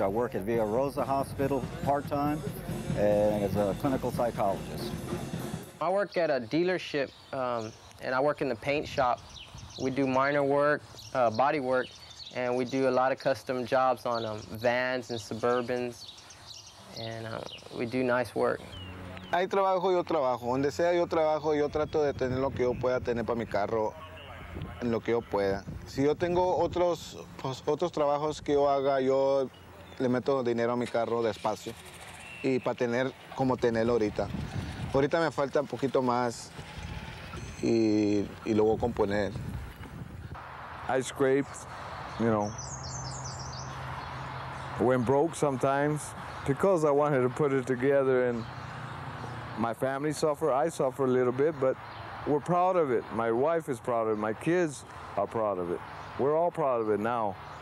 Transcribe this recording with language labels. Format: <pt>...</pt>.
<en>I work at Villa Rosa Hospital part-time and as a clinical psychologist. I work at a dealership, and I work in the paint shop. We do minor work, body work, and we do a lot of custom jobs on vans and Suburbans, and we do nice work.</en> <es>Hay trabajo, yo trabajo. Donde sea yo trabajo, yo trato de tener lo que yo pueda tener para mi carro, en lo que yo pueda. Si yo tengo otros, pues, otros trabajos que yo haga, yo le meto dinero a mi carro despacio y para tener como tenerlo ahorita. Ahorita me falta un poquito más y lo voy a componer.</es> <en>I scraped, you know. Went broke sometimes because I wanted to put it together and my family suffer, I suffer a little bit, but we're proud of it. My wife is proud of it. My kids are proud of it. We're all proud of it now.</en>